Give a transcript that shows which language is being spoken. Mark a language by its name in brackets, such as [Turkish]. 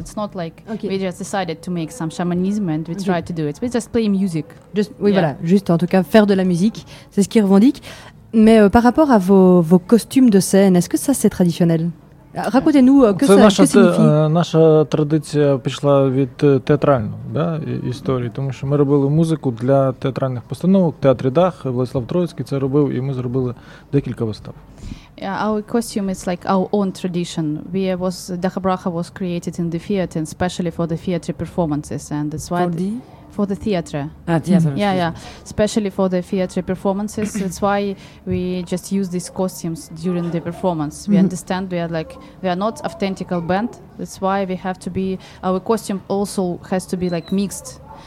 [English] It's not like we just decided to make some shamanism and we try to do it. We just play music. [French] Juste en tout cas faire de la musique, c'est ce qu'ils revendiquent. Mais par rapport à vos costumes de scène, est-ce que ça c'est traditionnel? Racontez-nous [Ukrainian] наша традиція пішла від театрального, да, історії, тому що ми робили музику для театральних постановок, театрі Дах, Владислав Троїцький це робив, і ми зробили декілька вистав. [English] Our costume is like our own tradition. Dacha Bracha was created in the theater, especially for the theater performances, and that's why for the theater. Especially for the theater performances. That's why we just use these costumes during the performance. We understand we are not authentic band. That's why we have to be, our costume also has to be like mixed.